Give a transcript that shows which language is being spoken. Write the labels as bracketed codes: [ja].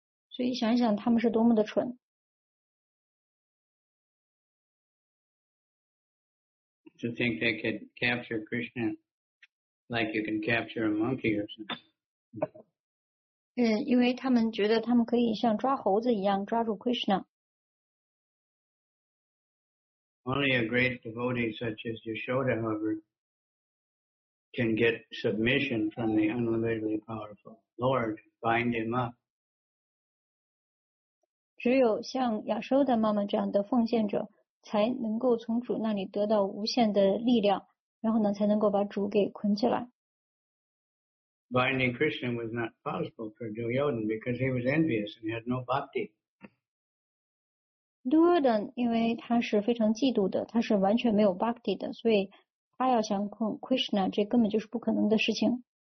[zh] 所以想一想，他们是多么的蠢。 [en] To think they could capture Krishna like you can capture a monkey or something. [zh] 因为他们觉得他们可以像抓猴子一样抓住 Krishna. [en] Only a great devotee such as Yashoda, however, can get submission from the unlimitedly powerful Lord, bind him up. [zh] 只有像亚修达妈妈这样的奉献者才能够从主那里得到无限的力量，然后呢，才能够把主给捆起来。 [en] Binding Krishna was not possible for Duryodhan because he was envious and had no bhakti. [zh] Duryodhan 因为他是非常嫉妒的，他是完全没有 bhakti 的，所以他要想控 Krishna， 这根本就是不可能的事情。